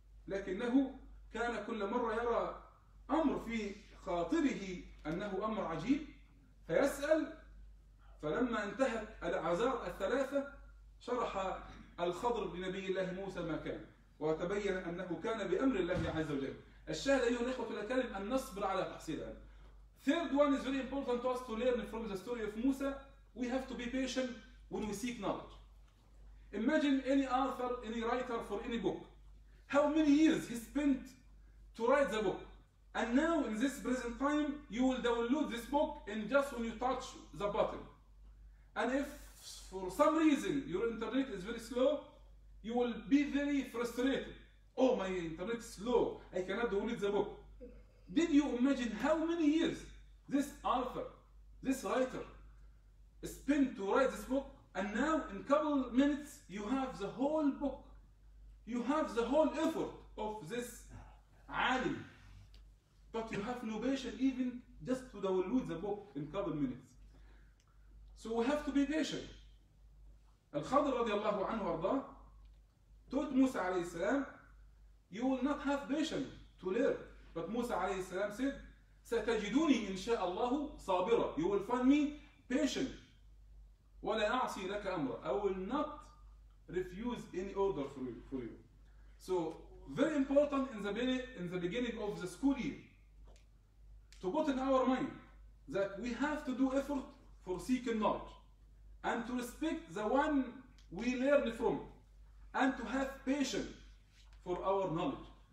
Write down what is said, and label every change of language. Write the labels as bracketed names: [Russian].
[Arabic] لكنه كان كل مرة يرى أمر في خاطره أنه أمر عجيب فيسأل، فلما انتهت الأعذار الثلاثة شرح الخضر بنبي الله موسى ما كان، وتبين أنه كان بأمر الله عز وجل. الشاهد أيها الأخوة الكريم أن نصبر على تحصيل العلم. [English] Third one is very important to us to learn from the story of Musa. We have to be patient when we seek knowledge. Imagine any author, any writer for any book. How many years he spent to write the book? And now in this present time, you will download this book and just when you touch the button. And if for some reason your internet is very slow, you will be very frustrated. Oh, my internet is slow. I cannot download the book. Did you imagine how many years this author, this writer, spent to write this book? And now in a couple minutes, you have the whole book. You have the whole effort of this alim. But you have no patience even just to download the book in a couple minutes. So we have to be patient. Al-Khadr radiallahu anhu arda'ah told Musa alayhi salam, you will not have patience to learn. But Musa alayhi salam said, [Arabic] ستجدوني إن شاء الله صابرة. [English] You will find me patient. [Arabic] ولا أعصي لك أمر. [English] I will not refuse any order for you. So very important in the beginning of the school year to put in our mind that we have to do effort for seeking knowledge and to respect the one we learn from and to have patience for our knowledge.